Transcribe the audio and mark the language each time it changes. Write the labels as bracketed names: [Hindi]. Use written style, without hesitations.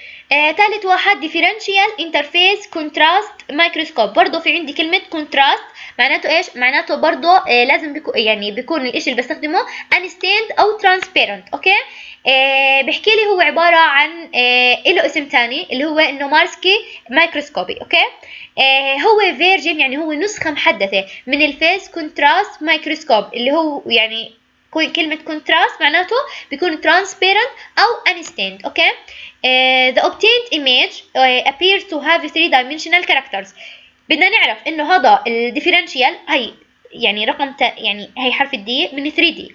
[Arabic] ثالث واحد [English] differential interface contrast microscope. [Arabic] برضو في عندي كلمة contrast، معناته ايش؟ معناته برضو لازم بيكون، يعني بيكون الاشي اللي بستخدمه unstained او transparent، اوكي؟ بحكي لي هو عبارة عن له اسم تاني اللي هو انه مارسكي مايكروسكوبي، اوكي؟ هو فيرجن، يعني هو نسخة محدثة من الفيس كونتراست مايكروسكوب اللي هو يعني كلمه كونتراست معناته بيكون ترانسبيرنت او انستينت. اوكي [English] the obtained image appears to have three dimensional characters. [Arabic] بدنا نعرف انه هذا الديفرنشيال هي يعني رقم يعني هي حرف الدي من 3D.